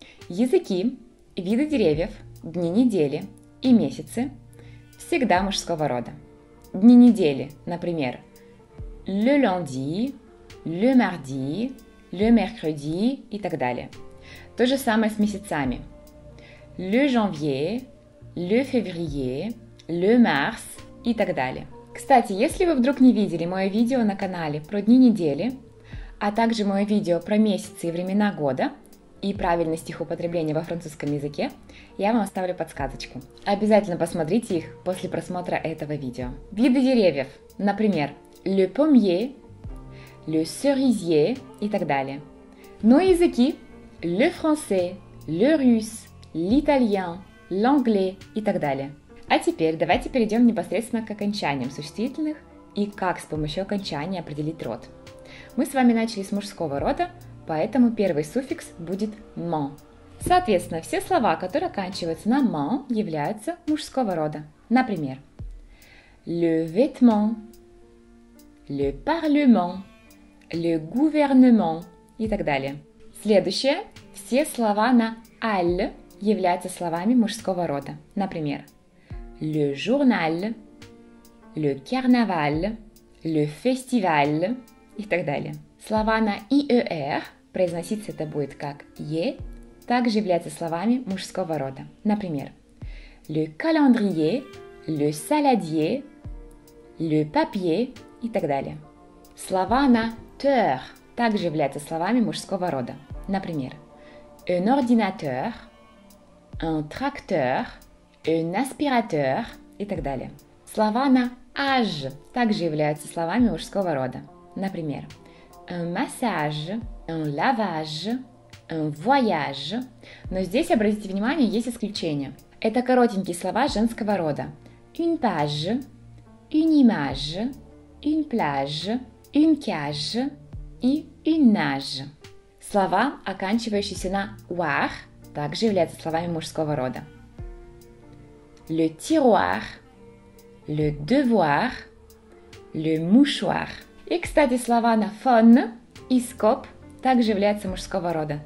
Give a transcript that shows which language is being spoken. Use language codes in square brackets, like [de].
[ru] Языки, виды деревьев, дни недели и месяцы всегда мужского рода. Дни недели, например, [fr] le lundi, le mardi, le mercredi [ru] и так далее. То же самое с месяцами. [fr] Le janvier, le février, le mars [ru] и так далее. Кстати, если вы вдруг не видели мое видео на канале про дни недели, а также мое видео про месяцы и времена года и правильность их употребления во французском языке, я вам оставлю подсказочку. Обязательно посмотрите их после просмотра этого видео. Виды деревьев. Например, [fr] le pommier, le cerisier [ru] и так далее. Но языки [fr] – le français, le russe, l'italien, l'anglais [ru] и так далее. А теперь давайте перейдем непосредственно к окончаниям существительных и как с помощью окончания определить род. Мы с вами начали с мужского рода, поэтому первый суффикс будет «mon». Соответственно, все слова, которые оканчиваются на «mon», являются мужского рода. Например, [fr] le vêtement, le parlement, le gouvernement [ru] и так далее. Следующее. Все слова на «al» являются словами мужского рода. Например, [fr] le journal, le carnaval, le festival [ru] и так далее. Слова на «ier» произноситься это будет как «е», также являются словами мужского рода. Например, [fr] le calendrier, le saladier, le papier [ru] и так далее. Слова на «teur» также являются словами мужского рода. Например, [fr] un ordinateur, un tracteur, un aspirateur [ru] и так далее. Слова на «age» также являются словами мужского рода. Например, [fr] un massage, un lavage, un voyage. [ru] Но здесь, обратите внимание, есть исключения. Это коротенькие слова женского рода. [fr] Une page, une image, une plage, une cage и une nage. [ru] Слова, оканчивающиеся на «oir», также являются словами мужского рода. [fr] Le tiroir, le devoir, le mouchoir. [ru] И, кстати, слова на «фон» и «скоп» также являются мужского рода.